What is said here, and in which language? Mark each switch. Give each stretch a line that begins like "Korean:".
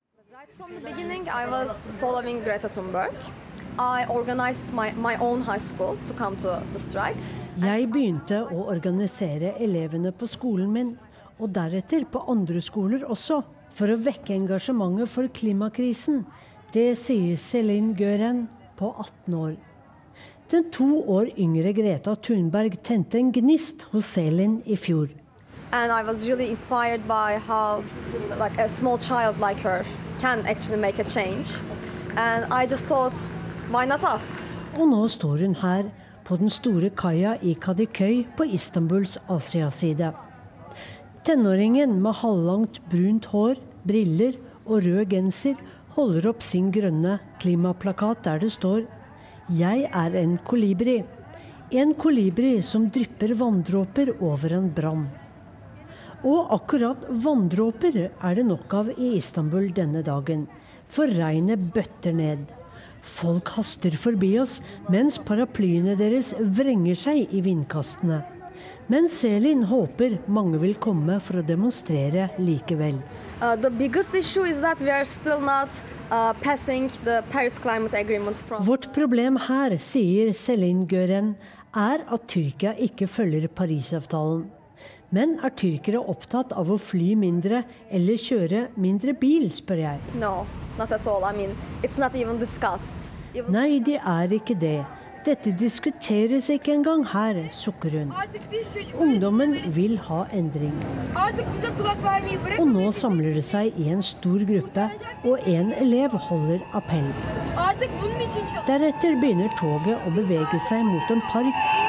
English: Right from the beginning I was following Greta Thunberg. I organized my own high school to come to the strike.
Norwegian: Jeg begynte å organisere elevene på skolen min, og deretter på andre skoler også, for å vekke engasjementet for klimakrisen. Det sier Céline Gøren på 18 år. Den 2 år yngre Greta Thunberg tente en gnist hos Céline i fjor.
English: And I was really inspired by how like a small child like her can actually make a change. And I just thought, why not us?
Norwegian: Og nå står hun her på den store kaia i Kadıköy på Istanbuls Asiaside. Tenåringen med halvlangt brunt hår, briller og rød genser holder opp sin grønne klimaplakat der det står «Jeg er en kolibri». En kolibri som drypper vanndråper over en brann. Og akkurat vanndråper er det nok av i Istanbul denne dagen, for regnet bøtter ned. Folk haster forbi oss, mens paraplyene deres vrenger seg i vindkastene. Men Selin håper mange vil komme for å demonstrere likevel.
English: The biggest issue is that we are still not passing the Paris Climate Agreement.
Norwegian: Vårt problem her, sier Selin Gören, er at Tyrkia ikke følger Parisavtalen. Men er tyrkere opptatt av å fly mindre eller kjøre mindre bil, spør jeg.
English: No, not at all. I mean, it's not even discussed.
Norwegian: Nei, de er ikke det. Dette diskuteres ikke engang her, sukker hun. Ungdommen vil ha endring. Og nå samler det seg i en stor gruppe, og en elev holder appell. Deretter begynner toget å bevege seg mot en park.